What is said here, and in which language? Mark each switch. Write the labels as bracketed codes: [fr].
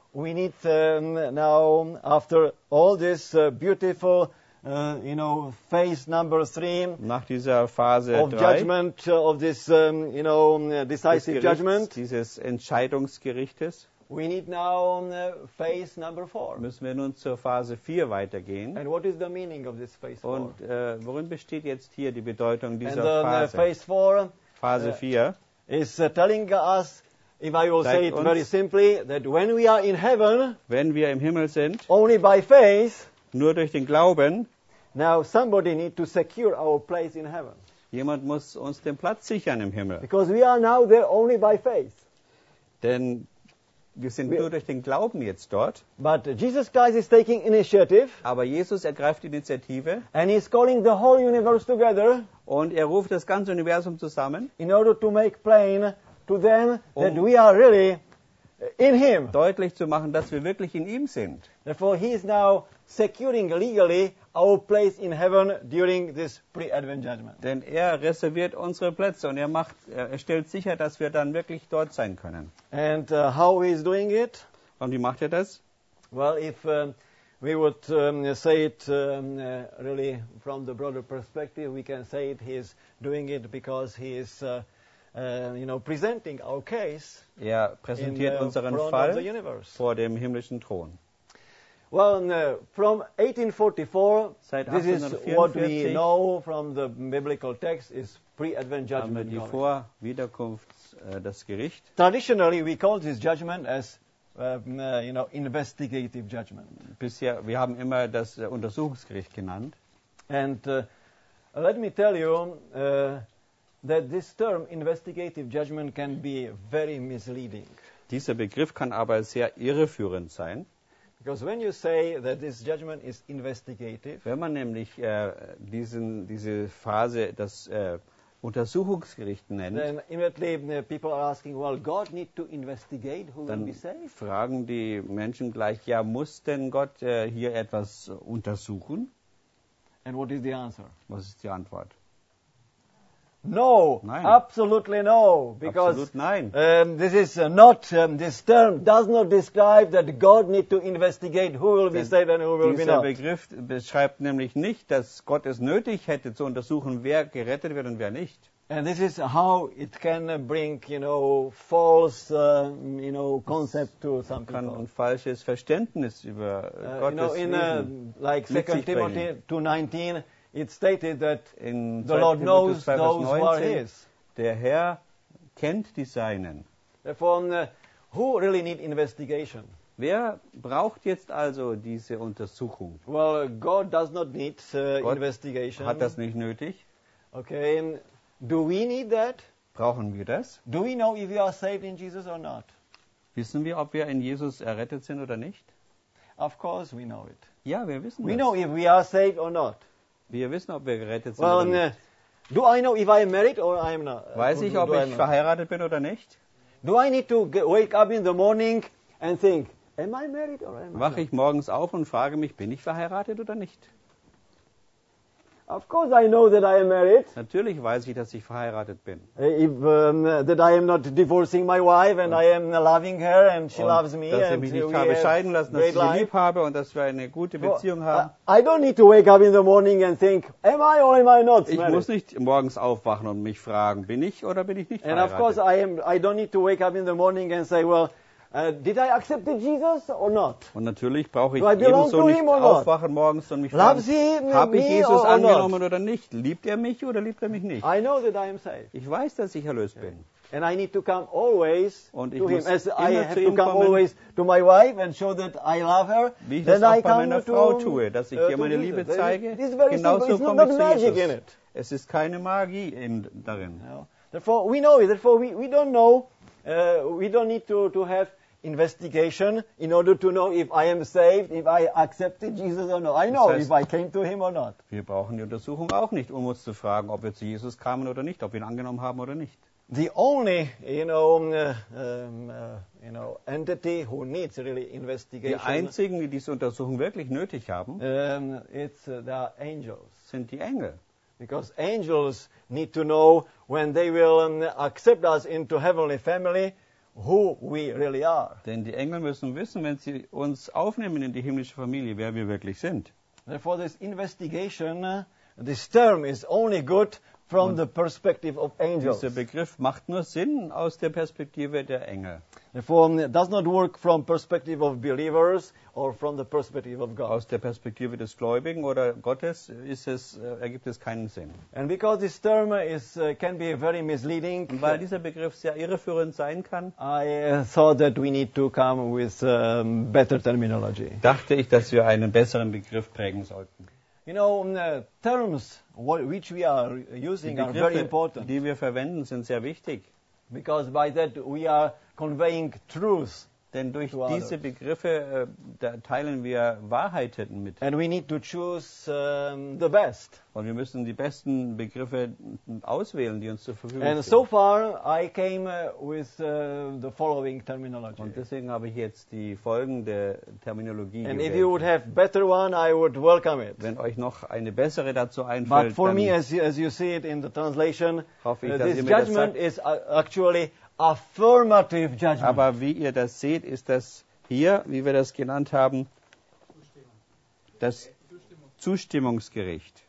[en] we need now after all this beautiful you know, phase number three [de] nach dieser Phase [en] of [de] drei, [en] judgment of this you know decisive [de] Gerichts, [en] judgment [de] dieses Entscheidungsgerichtes. [en] We need now phase number four. [de] Müssen wir nun zur Phase 4 weitergehen. [en] And what is the meaning of this phase 4? [de] Und worin besteht jetzt hier die Bedeutung dieser [en] and then, [de] Phase? Phase 4 Phase 4 [en] is telling us, if I will say it very simply, that when we are in heaven, [de] wenn wir im Himmel sind, [en] only by faith, [de] nur durch den Glauben, [en] now somebody need to secure our place in heaven. [de] Jemand muss uns den Platz sichern im Himmel. [en] Because we are now there only by faith. [de] Denn wir sind nur durch den Glauben jetzt dort. [en] But Jesus Christ is taking initiative. [de] Aber Jesus ergreift die Initiative. [en] And he's calling the whole universe together. [de] Und er ruft das ganze Universum zusammen. [en] In order to make plain to them that we are really in him. [de] Deutlich zu machen, dass wir wirklich in ihm sind. [en] Therefore he is now securing legally our place in heaven during this pre-advent judgment. [de] Denn er reserviert unsere Plätze und er stellt sicher, dass wir dann wirklich dort sein können. [en] And how he is doing it? [de] Und wie macht er das? [en] Well, if we would say it really from the broader perspective, we can say it he is doing it because he is you know, presenting our case. [de] Er präsentiert unseren Fall vor dem himmlischen Thron. [en] Well, from 1844, this is what we know from the biblical text is pre-advent judgment. [de] Die Vor-Wiederkunft, das Gericht. [en] Traditionally, we call this judgment as you know, investigative judgment. [de] Bisher, wir haben immer das Untersuchungsgericht genannt. [en] And let me tell you that this term investigative judgment can be very misleading. [de] Dieser Begriff kann aber sehr irreführend sein. [en] Because when you say that this judgment is investigative, [de] wenn man nämlich diese Phase das Untersuchungsgericht nennt, [en] then immediately people are asking, well, God need to investigate who will be saved. [de] Dann fragen die Menschen gleich, ja, muss denn Gott hier etwas untersuchen? [en] And what is the answer? [de] Was ist die Antwort? [en] No, [de] nein. [en] Absolutely no, because [de] absolut nein. [en] This is not this term does not describe that God need to investigate who will be saved and who will be not. [de] Dieser Begriff beschreibt nämlich nicht, dass Gott es nötig hätte zu untersuchen, wer gerettet wird und wer nicht. [en] And this is how it can bring, you know, false, you know, concept to some people. [de] Kann ein falsches Verständnis über Gottes Wesen. [en] You know, in like 2 Timothy 2:19. It stated that in the Lord knows those who are his. [de] Der Herr kennt die Seinen. [en] Therefore, who really need investigation? [de] Wer braucht jetzt also diese Untersuchung? [en] Well, God does not need investigation. [de] Hat das nicht nötig? [en] Okay, do we need that? [de] Brauchen wir das? [en] Do we know if we are saved in Jesus or not? [de] Wissen wir, ob wir in Jesus errettet sind oder nicht? [en] Of course we know it. [de] Ja, wir wissen [en] we [de] das. [en] We know if we are saved or not. [de] Wir wissen, ob wir gerettet sind [en] well, [de] oder nicht. [en] Do I know if I am married or I am not? [de] Weiß ich, ob ich verheiratet bin oder nicht? [en] Do I need to wake up in the morning and think, am I married or am I not? [de] Wache ich morgens auf und frage mich, bin ich verheiratet oder nicht? [en] Of course I know that I am married. [de] Natürlich weiß ich, dass ich verheiratet bin. [en] If that I am not divorcing my wife and I am loving her and she loves me [de] dass ich mich nicht habe scheiden lassen, dass ich sie lieb habe und dass wir eine gute Beziehung haben. [en] I don't need to wake up in the morning and think, am I or am I not married? [de] Ich muss nicht morgens aufwachen und mich fragen, bin ich oder bin ich nicht [en] and [de] verheiratet? [en] And of course I don't need to wake up in the morning and say, well, did I accept Jesus or not? [de] Und natürlich brauche ich ebenso nicht aufwachen morgens und mich fragen, habe ich Jesus angenommen oder nicht? Liebt er mich oder liebt er mich nicht? [en] I know that I am saved. [de] Ich weiß, dass ich erlöst bin. [en] And I need to come always [de] und ich [en] to [de] muss [en] him, as [de] immer [en] I have to come always to my wife and show that I love her. [de] Wie ich das auch bei meiner Frau tue, dass ich ihr meine Liebe zeige. Genauso komme ich zu Jesus. Es ist keine Magie darin. [en] Therefore we know it. Therefore we don't know. We don't need to have investigation in order to know if I am saved, if I accepted Jesus or not. I know [de] das heißt, [en] if I came to him or not. [de] Wir brauchen die Untersuchung auch nicht, um uns zu fragen, ob wir zu Jesus kamen oder nicht, ob wir ihn angenommen haben oder nicht. [en] the only, entity who needs really investigation. [de] Die einzigen, die diese Untersuchung wirklich nötig haben, [en] the angels. [de] Sind die Engel. [en] Because angels need to know when they will accept us into heavenly family, who we really are. [de] Denn die Engel müssen wissen, wenn sie uns aufnehmen in die himmlische Familie, wer wir wirklich sind. [en] Therefore, this investigation, this term is only good from the perspective of angels. [de] Dieser Begriff macht nur Sinn aus der Perspektive der Engel. [en] Therefore, it does not work from perspective of believers or from the perspective of God. [de] Aus der Perspektive des Gläubigen oder Gottes ist es, ergibt es keinen Sinn. [en] And because this term is can be very misleading, [de] und weil dieser Begriff sehr irreführend sein kann, [en] I thought that we need to come with better terminology. [de] Dachte ich, dass wir einen besseren Begriff prägen sollten. [en] You know, the terms which we are using [de] Begriffe, [en] are very important. [de] Die wir verwenden, sind sehr wichtig. [en] Because by that we are conveying truth. [de] Denn durch diese Begriffe da teilen wir Wahrheiten mit. [en] And we need to choose the best. [de] Und wir müssen die besten Begriffe auswählen, die uns zur Verfügung stehen. [en] And so far I came with the following terminology. [de] Und deswegen habe ich jetzt die folgende Terminologie [en] and [de] gewählt. [en] If you would have better one, I would welcome it. [de] Wenn euch noch eine bessere dazu einfällt, [en] but for [de] dann [en] me, as you see it in the translation, [de] hoffe ich, [en] this judgment is actually affirmative judgment. [de] Aber wie ihr das seht, ist das hier, wie wir das genannt haben, das Zustimmungsgericht.